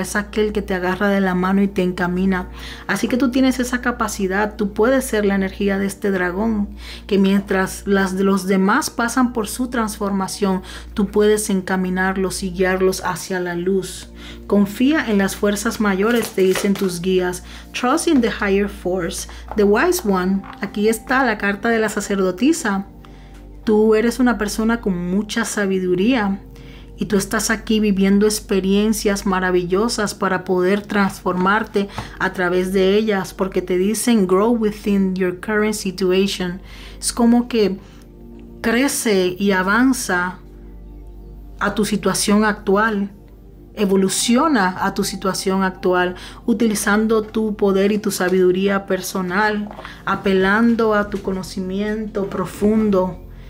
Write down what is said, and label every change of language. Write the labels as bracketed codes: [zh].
[es] Es aquel que te agarra de la mano y te encamina. Así que tú tienes esa capacidad, tú puedes ser la energía de este dragón, que mientras los demás pasan por su transformación, tú puedes encaminarlos y guiarlos hacia la luz. Confía en las fuerzas mayores, te dicen tus guías. [en] Trust in the higher force, the wise one. [es] Aquí está la carta de la sacerdotisa. Tú eres una persona con mucha sabiduría. Y tú estás aquí viviendo experiencias maravillosas para poder transformarte a través de ellas. Porque te dicen, [en] grow within your current situation. [es] Es como que crece y avanza a tu situación actual. Evoluciona a tu situación actual, utilizando tu poder y tu sabiduría personal. Apelando a tu conocimiento profundo.